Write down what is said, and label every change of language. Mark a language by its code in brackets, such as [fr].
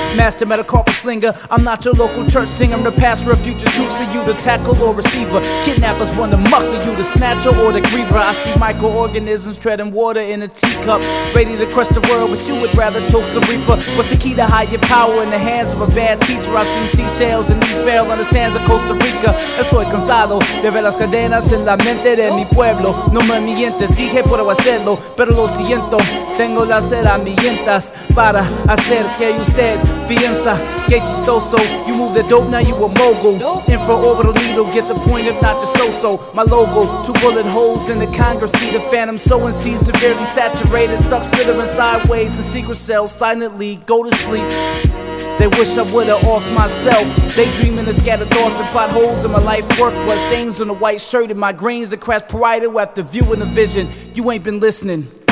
[en] Master metacarpal slinger, I'm not your local church singer. I'm the pastor of future truths to you, the tackle or receiver. Kidnappers run amok to you, the snatcher or the griever. I see microorganisms treading water in a teacup, ready to crush the world, but you would rather choke some reefer. What's the key to hide your power in the hands of a bad teacher? I've seen seashells and these fail on the sands of Costa Rica. [es] Estoy cansado de ver las cadenas en la mente de mi pueblo. No me mientes, dije puedo hacerlo, pero lo siento. Tengo las herramientas para hacer que usted piensa que chistoso. [en] You move the dope, now you a mogul. Infraorbital needle, get the point if not just so-so. My logo, two bullet holes in the Congress. See the phantom sowing seeds severely saturated, stuck slithering sideways in secret cells. Silently go to sleep. They wish I would've off myself. Daydreaming the scattered thoughts and plot holes in my life work. Was stains on the white shirt and my grains that crash parietal after viewing the vision. You ain't been listening.